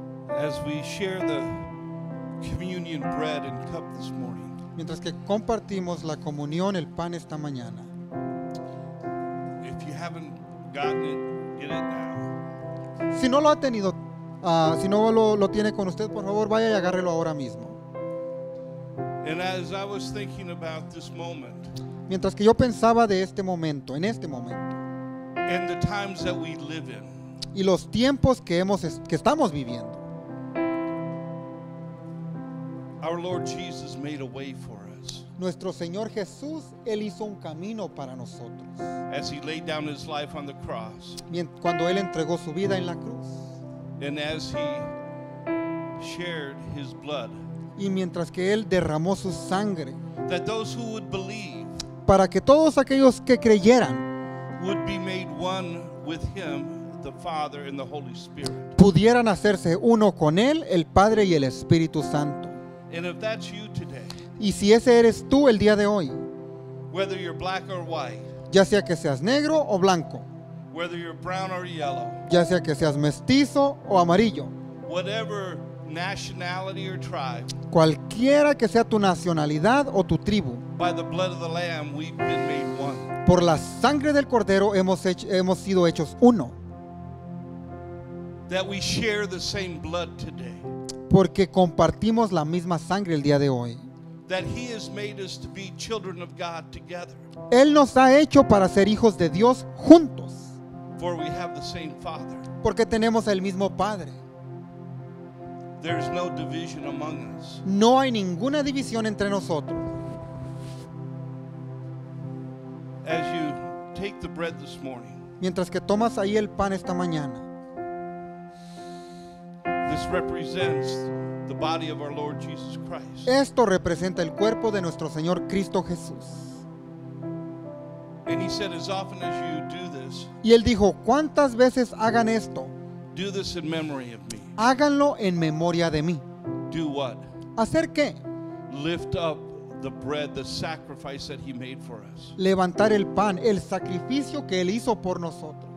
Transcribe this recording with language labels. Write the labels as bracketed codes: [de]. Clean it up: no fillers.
[en] As we share the communion bread and cup this morning. [es] Mientras que compartimos la comunión, el pan esta mañana. [en] If you haven't gotten it, get it now. [es] Si no lo ha tenido, si no lo tiene con usted, por favor, vaya y agárrelo ahora mismo. [en] And as I was thinking about this moment, [es] mientras que yo pensaba de este momento, en este momento. [en] And the times that we live in, [es] y los tiempos que estamos viviendo. [en] Our Lord Jesus made a way for us. [es] Nuestro Señor Jesús, Él hizo un camino para nosotros. [en] As He laid down His life on the cross. [es] Cuando Él entregó su vida en la cruz. [en] And as He shared His blood. [es] Y mientras que Él derramó su sangre. [en] That those who would believe. [es] Para que todos aquellos que creyeran. [en] Would be made one with Him, the Father and the Holy Spirit. [es] Pudieran hacerse uno con Él, el Padre y el Espíritu Santo. [en] And if that's you today, [es] y si ese eres tú el día de hoy, [en] whether you're black or white, [es] ya sea que seas negro o blanco, [en] whether you're brown or yellow, [es] ya sea que seas mestizo o amarillo, [en] whatever nationality or tribe, [es] cualquiera que sea tu nacionalidad o tu tribu, [en] by the blood of the Lamb, we've been made one. [es] Por la sangre del Cordero hemos sido hechos uno. [en] That we share the same blood today. [es] Porque compartimos la misma sangre el día de hoy. [en] That He has made us to be children of God together. [es] Él nos ha hecho para ser hijos de Dios juntos. [en] For we have the same Father. [es] Porque tenemos el mismo Padre. [en] There's no division among us. [es] No hay ninguna división entre nosotros. [en] As you take the bread this morning. [es] Mientras que tomas ahí el pan esta mañana. [en] This represents the body of our Lord Jesus Christ. [es] Esto representa el cuerpo de nuestro Señor Cristo Jesús. [en] And He said, as often as you do this. [es] Y él dijo, cuántas veces hagan esto. [en] Do this in memory of me. [es] Háganlo en memoria de mí. [en] Do what? [es] ¿Hacer qué? [en] Lift up the bread, the sacrifice that He made for us. [es] Levantar el pan, el sacrificio que él hizo por nosotros.